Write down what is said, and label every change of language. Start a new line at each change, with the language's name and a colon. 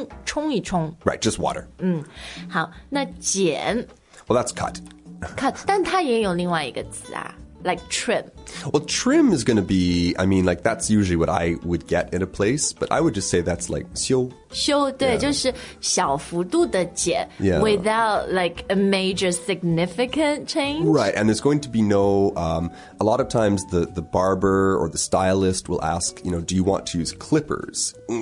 English: yeah.
Chinese: 冲一冲。
English: Right, just water.
Chinese: 好，那剪。
English: Well, that's cut.
Chinese: Cut, 但它也有另外一个词啊。
English: Like trim. Well, trim is going to be, I mean, like, that's usually what I would get in a place, but I would just say that's like 修
Chinese: 修对、yeah. 就是小幅度的剪、
English: yeah. without like a major significant change. Right, and there's going to be no, a lot of times the barber or the stylist will ask, you know, do you want to use clippers?